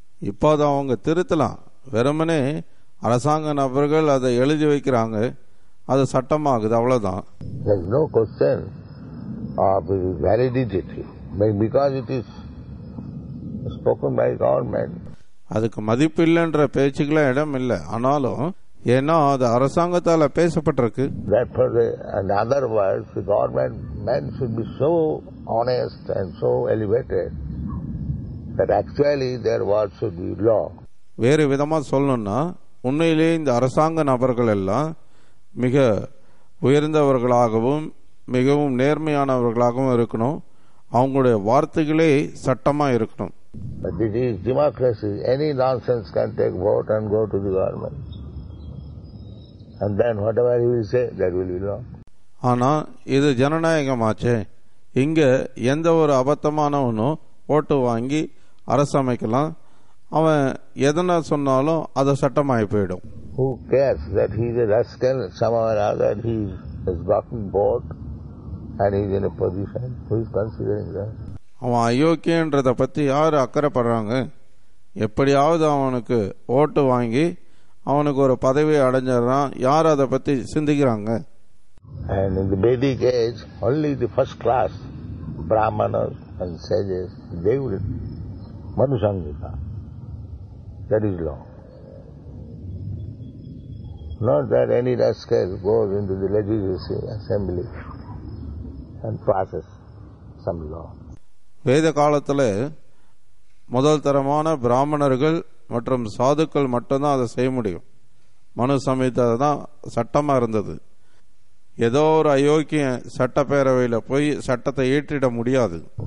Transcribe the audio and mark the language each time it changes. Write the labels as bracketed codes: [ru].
[ta] இப்போது அவங்க திருத்தலாம், வெறுமனே அரசாங்க நபர்கள் அதை எழுதி வைக்கிறாங்க, அது சட்டமாகுது, அவ்வளவுதான். [en] There is no question of validity. Because it is spoken by government. [ta] அதுக்கு மதிப்பு இல்லைன்ற பேச்சுக்கெல்லாம் இடம் இல்லை. ஆனாலும் ஏன்னா அது அரசாங்கத்தால பேசப்பட்டிருக்கு. [en] Therefore, in other words, the government men should be so honest and so elevated that actually their words should be law. [ta] வேறு விதமா சொல்லணும்னா உண்மையிலேயே இந்த அரசாங்க நபர்கள் எல்லாம் மிக உயர்ந்தவர்களாகவும் மிகவும் நேர்மையானவர்களாகவும் இருக்கணும். அவங்களுடைய வார்த்தைகளே சட்டமா இருக்கணும். [en] But this is democracy. Any nonsense can take vote and go to the government. And then whatever he will say, that will be law. [ta] ஆனா இது ஜனநாயகமாச்சே. இங்க எந்த ஒரு அபத்தமானவனும் ஓட்டு வாங்கி அரசமைக்கலாம். அவன் எதனா சொன்னாலும் அது சட்டமாகி போயிடும். [en] Who cares that he is a rascal, somehow or other he is walking board and he is in a position, who is considering that? [ta] அவன் அயோக்கியன்றத பத்தி யாரு அக்கறை படுறாங்க? எப்படியாவது அவனுக்கு ஓட்டு வாங்கி அவனுக்கு ஒரு பதவி அடைஞ்சான், யார் அதை பத்தி சிந்திக்கிறாங்க? [en] And in the Vedic age, only the first class, Brahmanas and sages, they would Manusangika. That is law. Not that any rascal goes into the legislative assembly and passes some law. [ta] வேத காலத்தில் முதல் தரமான பிராமணர்கள் மற்றும் சாதுக்கள் மட்டும்தான் அதை செய்ய முடியும். மனு சமயத்தை தான் சட்டமா இருந்தது. ஏதோ ஒரு அயோக்கிய சட்டப்பேரவையில் போய் சட்டத்தை ஏற்றிட முடியாது.